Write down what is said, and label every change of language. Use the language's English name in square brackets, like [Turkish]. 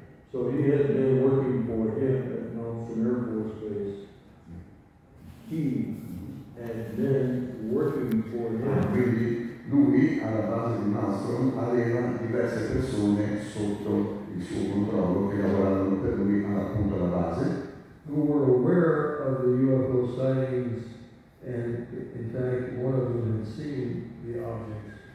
[English] So he had been working for him at Nelson Air Force Base. He had been working for him. [Italian] Quindi lui, alla base di Nelson, aveva diverse persone sotto il suo controllo che lavoravano per lui appunto alla base. [English] Who were aware of the UFO sightings, and in fact one of them had seen the objects.